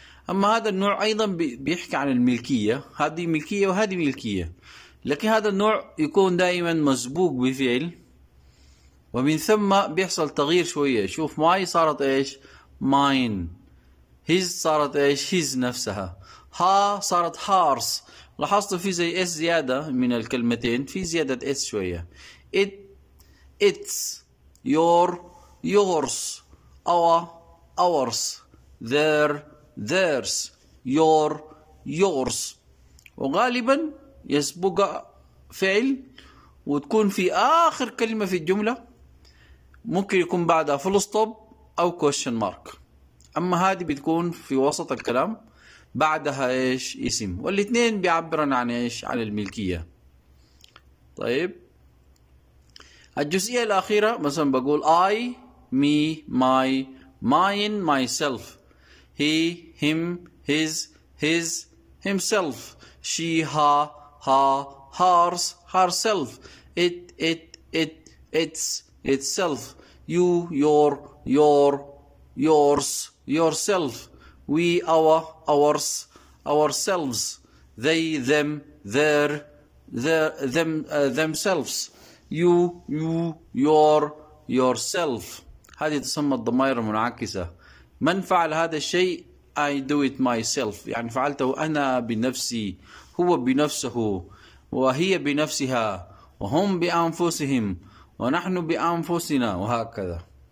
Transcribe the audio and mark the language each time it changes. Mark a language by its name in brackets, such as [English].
[Arabic] اما هذا النوع ايضا بيحكي عن الملكيه, هذه ملكيه وهذه ملكيه, لكن هذا النوع يكون دائما مسبوق بفعل, ومن ثم بيحصل تغيير شويه. شوف my صارت ايش, mine. his صارت ايش, his نفسها. ها صارت هارس. لاحظت في زي اس زياده من الكلمتين, في زياده اس شويه. [English] it its your yours our ours their theirs your yours. [Arabic] وغالبا يسبق فعل وتكون في اخر كلمه في الجمله, ممكن يكون بعدها فول ستوب او كويشن مارك. اما هذه بتكون في وسط الكلام بعدها ايش, اسم. والاثنين بيعبرن عن ايش, عن الملكية. طيب الجزئية الاخيرة مثلا بقول [English] I, me, my, mine, myself, he, him, his, his, himself, she, her, hers, herself, it, it, it, its, itself, you, your, yours, yourself, we, ours, ourselves, they, them, their them, themselves, you, yourself. [Arabic] هذه تسمى الضمائر المنعكسة. من فعل هذا الشيء؟ [English] I do it myself, [Arabic] يعني فعلته أنا بنفسي, هو بنفسه, وهي بنفسها, وهم بأنفسهم, ونحن بأنفسنا, وهكذا.